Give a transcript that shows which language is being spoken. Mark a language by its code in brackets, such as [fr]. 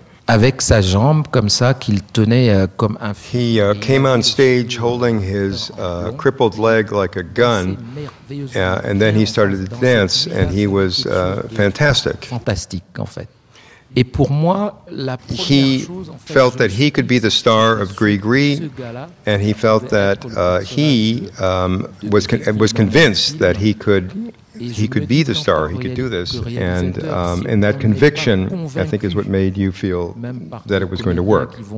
[fr] Avec sa jambe comme ça qu'il tenait comme un fusil. [en] He came on stage holding his crippled leg like a gun, and then he started to dance, and he was fantastic. [fr] Fantastique, en fait. Et pour moi, la première chose, en fait, [en] he felt that he could be the star of Grigri, and he felt that he was convinced that he could be the star, he could do this, and that conviction, I think, is what made you feel that it was going to work.